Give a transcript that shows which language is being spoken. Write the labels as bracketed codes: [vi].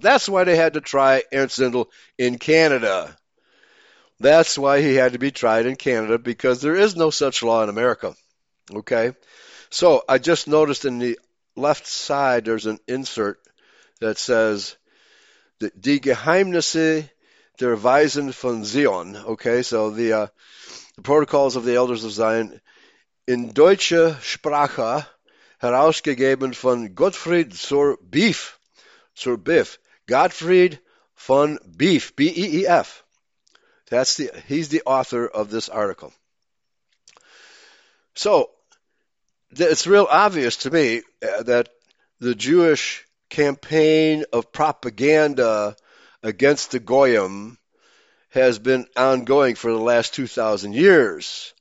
[en] That's why they had to try Ernst Zindel in Canada. That's why he had to be tried in Canada, because there is no such law in America. Okay? So I just noticed in the left side there's an insert that says [de] Die Geheimnisse der Weisen von Zion. [en] Okay, so the Protocols of the Elders of Zion [de] in deutscher Sprache herausgegeben von [en] Gottfried zur Beef. Zur Beef. Gottfried von Beef. BEEF. He's the author of this article. So it's real obvious to me that the Jewish campaign of propaganda against the Goyim has been ongoing for the last 2,000 years.